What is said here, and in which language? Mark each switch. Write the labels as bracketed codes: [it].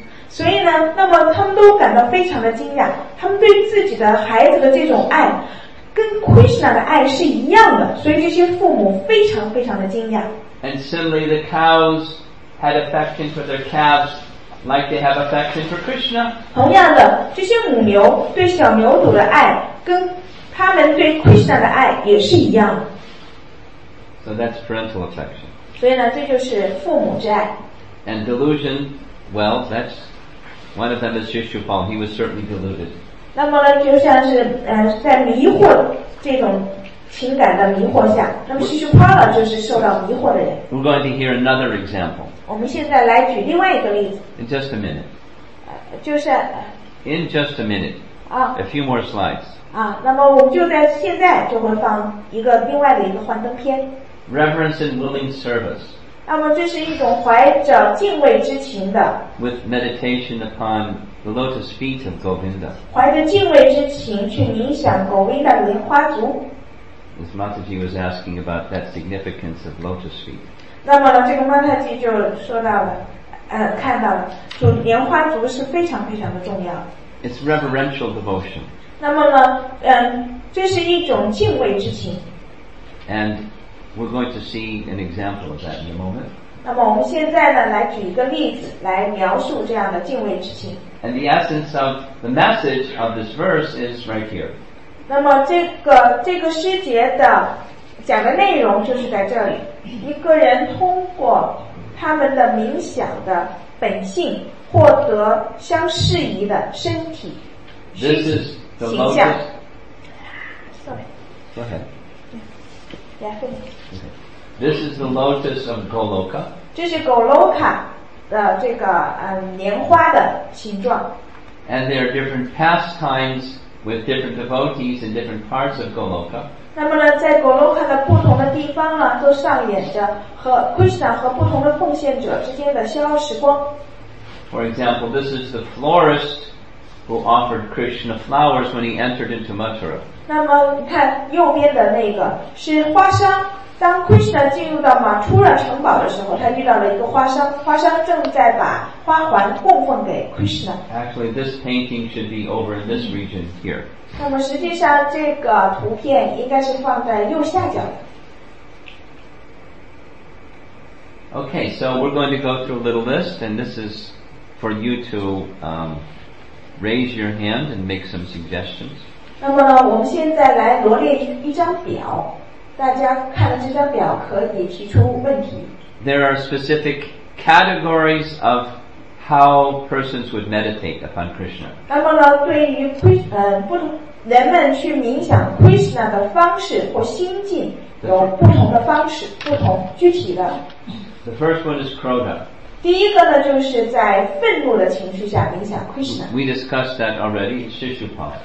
[zh] 所以呢，那么他们都感到非常的惊讶，他们对自己的孩子的这种爱跟 Krishna 的爱是一样的，所以这些父母非常非常的惊讶。 [en] And similarly the cows had affection for their calves like they have affection for Krishna. [zh] 同样的，这些母牛对小牛犊的爱跟他们对 Krishna 的爱也是一样。 [en] So that's parental affection. [zh] 所以呢，这就是父母之爱。 [en] And delusion, well, that's one of them is Shishupal. He was certainly deluded. [zh] 那么呢，就像是在迷惑这种情感的迷惑下，那么Shishupal就是受到迷惑的人。 [en] We're going to hear another example. [zh] 我们现在来举另外一个例子。 [en] In just a minute. [zh] 就是。 [en] In just a minute. 啊。 A few more slides. [zh] 啊，那么我们就在现在就会放一个另外的一个幻灯片。 [en] Reverence and willing service. [zh] 那么这是一种怀着敬畏之情的。 [en] With meditation upon the lotus feet of Govinda. [zh] 怀着敬畏之情去冥想 Govinda 的莲花足。 [en] As Mataji was asking about that significance of lotus feet. [zh] 那么这个 Mataji 就说到了，看到了，就莲花足是非常非常的重要。 [en] It's reverential devotion. [zh] 那么呢，这是一种敬畏之情。 [en] And We're going to see an example of that in a moment. [zh] 那么我们现在呢，来举一个例子，来描述这样的敬畏之情。 [en] And the essence of the message of this verse is right here. [zh] 那么这个诗节的讲的内容就是在这里。一个人通过他们的冥想的本性，获得相适宜的身体。 [en] This is the lotus. Sorry. Go ahead. Okay. This is the lotus of Goloka. [zh] 这是 Goloka 的这个莲花的形状。 [en] And there are different pastimes with different devotees in different parts of Goloka. [zh] 那么呢，在 Goloka 的不同的地方呢，都上演着和 Krishna 和不同的奉献者之间的逍遥时光。 [en] For example, this is the florist who offered Krishna flowers when he entered into Mathura. [zh] 那么你看右边的那个是花商，当 Krishna 进入到马图拉城堡的时候，他遇到了一个花商，花商正在把花环供奉给 Krishna。 [en] Actually, this painting should be over in this region here. [zh] 那么实际上这个图片应该是放在右下角的。 [en] Okay, so we're going to go through a little list, and this is for you to raise your hand and make some suggestions. [zh] 那么呢，我们现在来罗列一张表，大家看了这张表可以提出问题。 [en] There are specific categories of how persons would meditate upon Krishna. [zh] 那么呢，对于不同人们去冥想 Krishna 的方式或心境有不同的方式，不同具体的。 [en] The first one is Krodha. [zh] 第一个呢，就是在愤怒的情绪下冥想 Krishna. [en] We discussed that already, Shishupal.